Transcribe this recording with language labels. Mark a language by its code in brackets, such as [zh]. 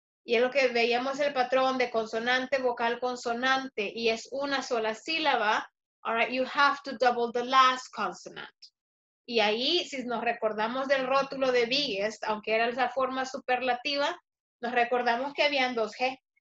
[es] Y es lo que veíamos el patrón de consonante, vocal, consonante, y es una sola sílaba. [en] All right, you have to double the last consonant. [es] Y ahí, si nos recordamos del rótulo de biggest, aunque era esa forma superlativa, nos recordamos que habían dos G.